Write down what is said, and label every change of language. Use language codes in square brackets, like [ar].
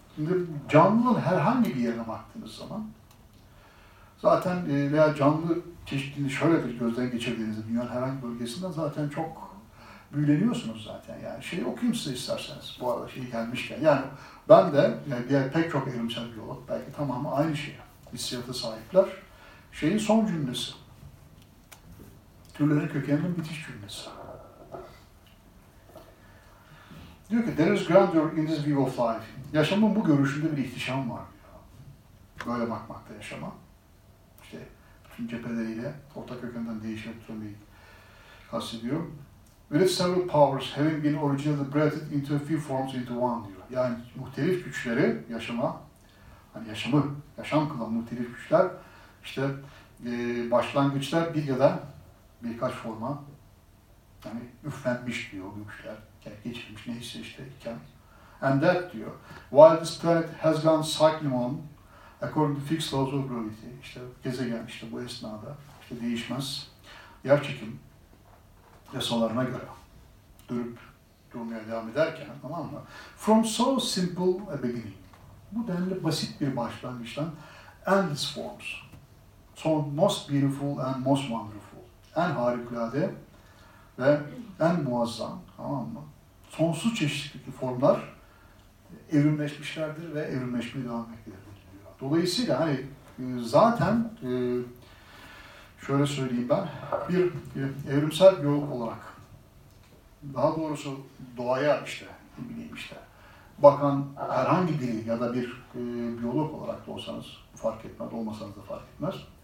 [tr] Şimdi canlının herhangi bir yerine baktığınız zaman, zaten veya canlı çeşitliliğini şöyle bir gözden geçirdiğinizde dünyanın herhangi bölgesinden zaten çok büyüleniyorsunuz zaten. Yani şeyi okuyayım size isterseniz bu arada şey gelmişken. Yani ben de yani diğer pek çok evrimsel biyolog belki tamamı aynı şey. Hissiyata sahipler. Şeyin son cümlesi. Türlerin kökeninin bitiş cümlesi. Diyor ki, [en] there is grandeur in this view of life. [tr] Yaşamın bu görüşünde bir ihtişam var diyor. Böyle bakmakta yaşama. İşte bütün cepheleriyle orta kökenden değişen türlü kastediyor. [en] With its several powers having been originally breathed into a few forms into one [tr] diyor. Yani muhtelif güçleri yaşama, hani yaşamı, yaşam kılan muhtelif güçler, işte başlangıçlar bir ya da birkaç forma, yani üflenmiş diyor güçler, yani geçirmiş neyse işte iken. [en] And that [tr] diyor, [en] while this planet has gone cycling on, according to fixed laws of gravity, [tr] işte gezegen işte bu esnada işte değişmez, yer çekim yasalarına göre dönüp durmaya devam ederken, tamam mı? [en] From so simple a beginning. [tr] Bu denli basit bir başlangıçtan [en] endless forms. So most beautiful and most wonderful. [tr] En harikulade ve en muazzam, tamam mı? Sonsuz çeşitlilikli formlar evrimleşmişlerdir ve evrimleşmeye devam etmektedir diyor. Dolayısıyla hani zaten şöyle söyleyeyim ben, bir evrimsel biyolog olarak, daha doğrusu doğaya işte, ne bileyim işte, bakan herhangi biri ya da bir biyolog olarak da olsanız fark etmez, olmasanız da fark etmez.